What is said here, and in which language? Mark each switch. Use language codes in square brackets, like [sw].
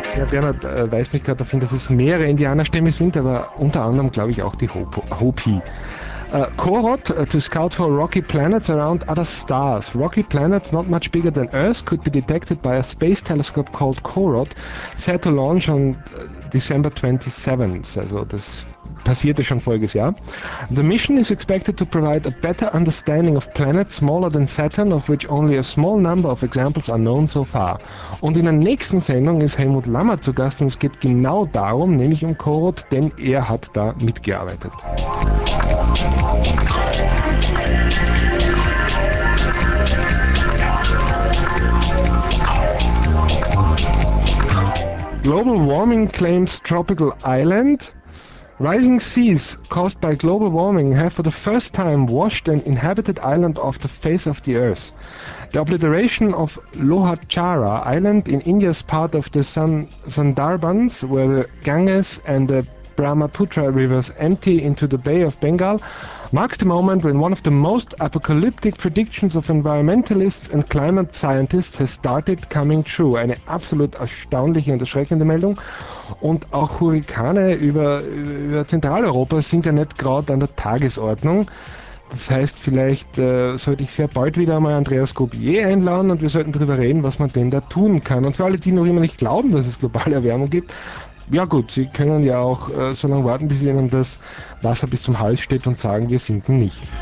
[de] Bernhard weist mich gerade darauf hin, dass es mehrere Indianerstämme sind, aber unter anderem glaube ich auch die Hopi. [en] Korot, to scout for rocky planets around other stars. Rocky planets not much bigger than Earth could be detected by a space telescope called Korot, set to launch on December 27th. [de] Also das passierte schon voriges Jahr. [en] The mission is expected to provide a better understanding of planets smaller than Saturn, of which only a small number of examples are known so far. [de] Und in der nächsten Sendung ist Helmut Lammer zu Gast und es geht genau darum, nämlich um Corot, denn er hat da mitgearbeitet. [en] Global warming claims tropical island. Rising seas caused by global warming have for the first time washed an inhabited island off the face of the earth. The obliteration of Lohatchara Island in India's part of the Sundarbans, where the Ganges and the Brahmaputra rivers empty into the Bay of Bengal, marks the moment when one of the most apocalyptic predictions of environmentalists and climate scientists has started coming true. [de] Eine absolut erstaunliche und erschreckende Meldung. Und auch Hurrikane über Zentraleuropa sind ja nicht gerade an der Tagesordnung. Das heißt, vielleicht sollte ich sehr bald wieder einmal Andreas Gobier einladen und wir sollten darüber reden, was man denn da tun kann. Und für alle, die noch immer nicht glauben, dass es globale Erwärmung gibt, ja gut, Sie können ja auch so lange warten, bis Ihnen das Wasser bis zum Hals steht und sagen, wir sinken nicht.